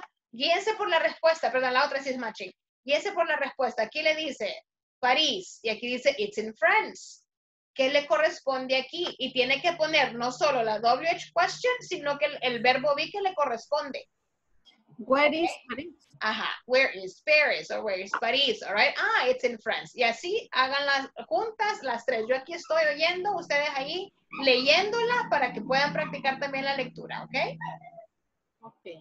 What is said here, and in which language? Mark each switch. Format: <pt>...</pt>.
<es>Guíense por la respuesta, perdón, la otra sí es matching. Guíense por la respuesta. Aquí le dice París y aquí dice</es> <en>it's in France.</en> <es>¿Qué le corresponde aquí? Y tiene que poner no solo la WH question, sino que el verbo be que le corresponde.</es> <en>Where is Paris? Ajá, where is Paris or where is Paris, all right? It's in France.</en> <es>Y así hagan las juntas, las tres. Yo aquí estoy oyendo, ustedes ahí leyéndola para que puedan practicar también la lectura, ¿ok?</es>